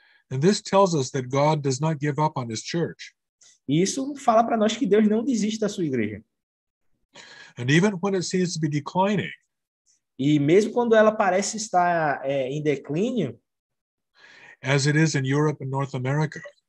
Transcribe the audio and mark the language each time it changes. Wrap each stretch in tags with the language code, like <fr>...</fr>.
<en>And this tells us that God does not give up on his church.</en> <pt>Isso fala para nós que Deus não desiste da sua igreja.</pt> <en>And even when it seems to be declining,</en> <pt>e mesmo quando ela parece estar em declínio,</pt> <en>as it is in Europe and North America,</en>